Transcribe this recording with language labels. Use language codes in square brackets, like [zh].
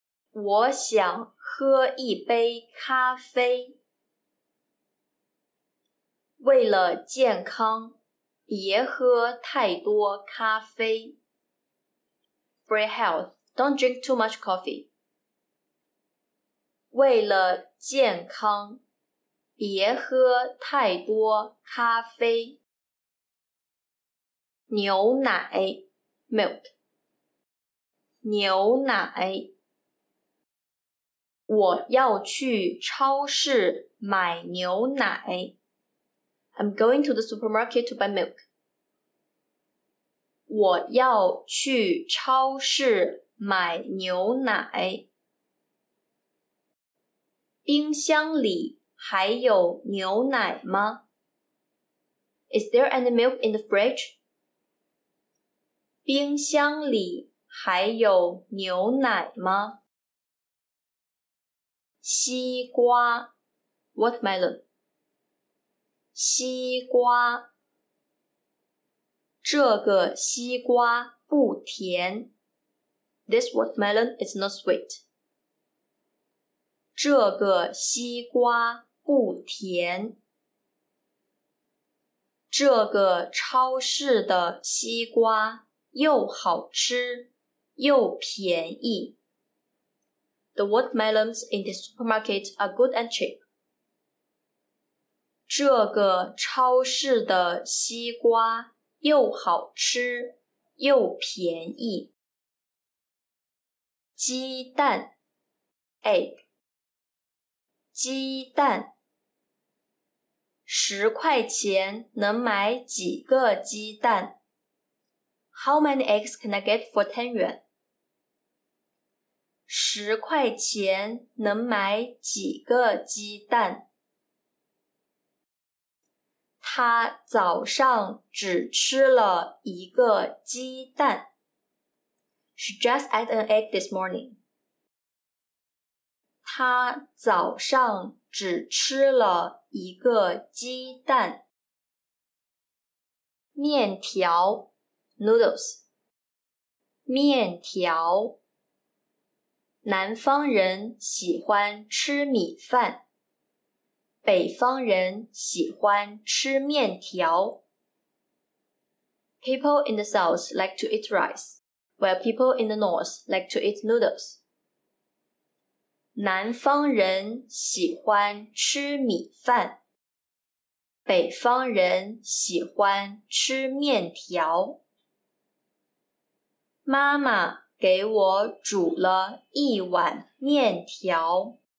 [zh] 我想喝一杯咖啡为了健康别喝太多咖啡 [en] For your health, don't drink too much coffee [zh] 为了健康别喝太多咖啡牛奶 [en] milk [zh] 牛奶我要去超市买牛奶 [en] I'm going to the supermarket to buy milk [zh] 我要去超市买牛奶冰箱里还有牛奶吗? [en] Is there any milk in the fridge? [zh] 冰箱里还有牛奶吗? 西瓜 [en] Watermelon [zh] 西瓜这个西瓜不甜 [en] This watermelon is not sweet. [zh] 这个西瓜不甜。这个超市的西瓜又好吃又便宜。 [en] The watermelons in the supermarket are good and cheap. [zh] 这个超市的西瓜又好吃又便宜。鸡蛋 [en] Egg. [zh] 鸡蛋十块钱能买几个鸡蛋 [en] How many eggs can I get for 10 yuan? [zh] 十块钱能买几个鸡蛋他早上只吃了一个鸡蛋 [en] She just ate an egg this morning. [zh] 他早上只吃了一个鸡蛋。面条 [en] ,noodles, [zh] 面条。南方人喜欢吃米饭。北方人喜欢吃面条。 [en] People in the south like to eat rice, while people in the north like to eat noodles. [zh] 南方人喜欢吃米饭，北方人喜欢吃面条。妈妈给我煮了一碗面条。